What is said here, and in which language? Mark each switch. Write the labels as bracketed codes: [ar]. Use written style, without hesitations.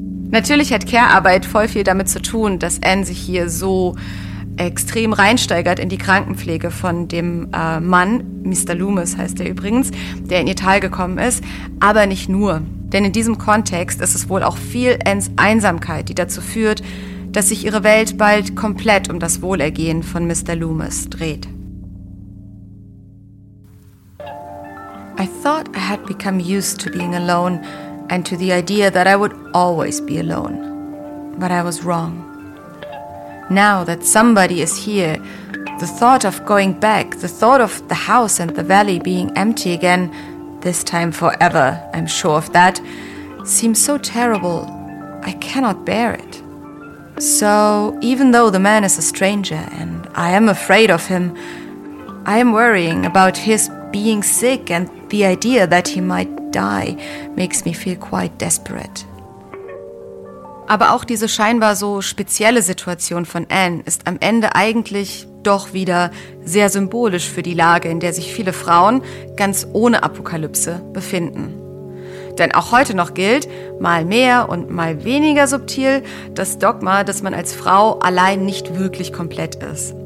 [de] Natürlich hat Care-Arbeit voll viel damit zu tun, dass Anne sich hier so extrem reinsteigert in die Krankenpflege von dem Mann, Mr. Loomis heißt er übrigens, der in ihr Tal gekommen ist, aber nicht nur. Denn in diesem Kontext ist es wohl auch viel Anns Einsamkeit, die dazu führt, dass sich ihre Welt bald komplett um das Wohlergehen von Mr. Loomis dreht. [en] I thought I had become used to being alone and to the idea that I would always be alone. But I was wrong. Now that somebody is here, the thought of going back, the thought of the house and the valley being empty again, this time forever, I'm sure of that, seems so terrible, I cannot bear it. So, even though the man is a stranger and I am afraid of him, I am worrying about his being sick and the idea that he might die makes me feel quite desperate. [de] Aber auch diese scheinbar so spezielle Situation von Anne ist am Ende eigentlich doch wieder sehr symbolisch für die Lage, in der sich viele Frauen ganz ohne Apokalypse befinden. Denn auch heute noch gilt, mal mehr und mal weniger subtil, das Dogma, dass man als Frau allein nicht wirklich komplett ist.